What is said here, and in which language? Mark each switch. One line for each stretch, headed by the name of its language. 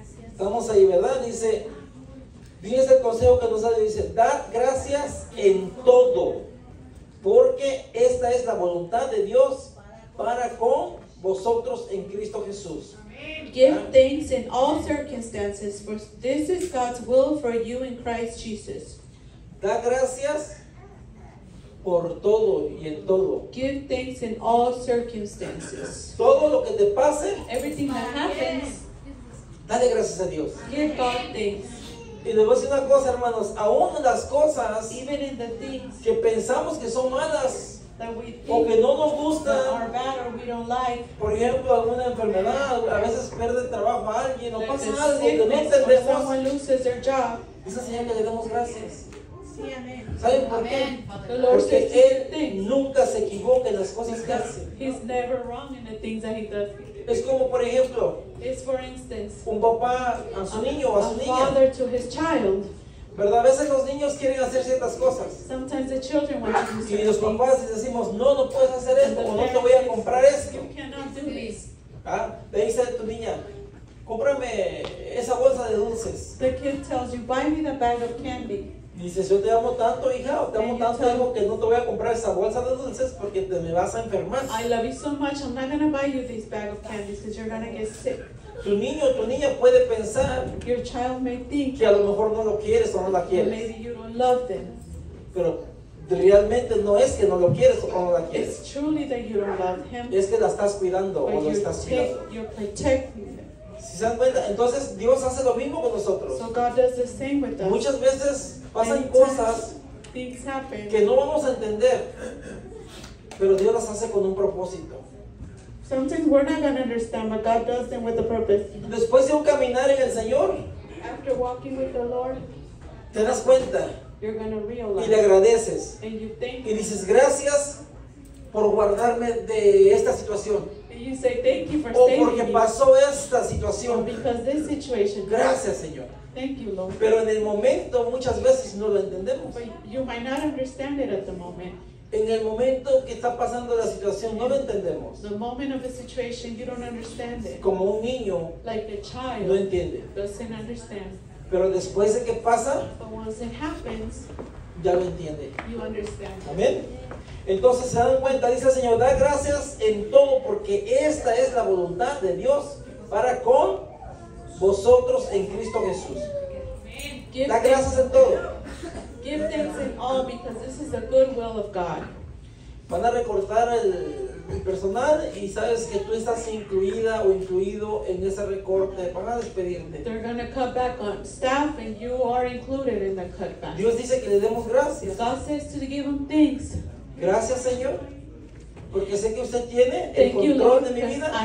Spanish: Estamos ahí, ¿verdad? Dice, dice el consejo que nos ha dado, dice, dad gracias en todo, porque esta es la voluntad de Dios para con vosotros en Cristo Jesús.
English: Give thanks in all circumstances, for this is God's will for you in Christ Jesus.
Spanish: Da gracias por todo y en todo.
English: Give thanks in all circumstances.
Spanish: Todo lo que te pase.
English: Everything that happens.
Spanish: Dale gracias a Dios.
English: Give God thanks.
Spanish: Y le voy a decir una cosa, hermanos. Aún en las cosas,
English: even in the things
Spanish: que pensamos que son malas,
English: that we think
Spanish: o que no nos gustan,
English: that are bad or we don't like,
Spanish: por ejemplo, alguna enfermedad, a veces pierde el trabajo a alguien, o pasa algo que no entendemos,
English: or someone loses their job,
Spanish: esa señal que le damos gracias. Sí, amén. ¿Saben por qué?
English: The Lord
Spanish: porque
English: says Él things.
Spanish: Nunca se equivoca en las cosas que hace.
English: He's never wrong in the things that He does.
Spanish: Es como, por ejemplo,
English: it's for instance,
Spanish: un papá a su niño o a su niña.
English: A father to his child.
Spanish: Pero a veces los niños quieren hacer ciertas cosas.
English: Sometimes the children want to do certain things.
Spanish: Y los papás les decimos, no, no puedes hacer esto, o no te voy a comprar esto.
English: You cannot do this.
Spanish: ¿Ah? Le dice a tu niña, cómprame esa bolsa de dulces.
English: The kid tells you, buy me the bag of candy.
Spanish: Dice, yo te amo tanto, hija, o te amo tanto, hijo, que no te voy a comprar esa bolsa de dulces porque te me vas a enfermar.
English: I love you so much, I'm not going to buy you this bag of candy because you're going to get sick.
Spanish: Tu niño o tu niña puede pensar,
English: your child may think,
Spanish: que a lo mejor no lo quieres o no la quieres.
English: Maybe you don't love them.
Spanish: Pero realmente no es que no lo quieres o no la quieres.
English: It's truly that you don't love him.
Spanish: Es que la estás cuidando o lo estás cuidando.
English: You're protecting them.
Spanish: Si se dan cuenta, entonces Dios hace lo mismo con nosotros.
English: So God does the same with us.
Spanish: Muchas veces pasan cosas que no vamos a entender, pero Dios las hace con un propósito.
English: Sometimes we're not gonna understand, but God does them with a purpose.
Spanish: Después de un caminar en el Señor,
English: after walking with the Lord,
Spanish: te das cuenta,
English: you're gonna realize,
Spanish: y le agradeces,
English: and you thank,
Spanish: y dices gracias por guardarme de esta situación.
English: You say thank you for saving,
Spanish: o porque pasó esta situación.
English: Because this situation.
Spanish: Gracias, Señor.
English: Thank you, Lord.
Spanish: Pero en el momento muchas veces no lo entendemos.
English: But you might not understand it at the moment.
Spanish: En el momento que está pasando la situación no lo entendemos.
English: The moment of the situation you don't understand it.
Spanish: Como un niño,
English: like a child,
Spanish: no entiende.
English: Doesn't understand.
Spanish: Pero después de que pasa,
English: but once it happens,
Spanish: ya lo entiende.
English: You understand.
Spanish: Amén. Entonces se dan cuenta, dice el Señor, da gracias en todo porque esta es la voluntad de Dios para con vosotros en Cristo Jesús. Da gracias en todo.
English: Give thanks in all because this is the good will of God.
Spanish: Van a recortar el personal y sabes que tú estás incluida o incluido en ese recorte. Van a despedirte.
English: They're going to cut back on staff and you are included in the cutback.
Spanish: Dios dice que le demos gracias.
English: God says to give them thanks.
Spanish: Gracias, Señor, porque sé que usted tiene el control de mi vida.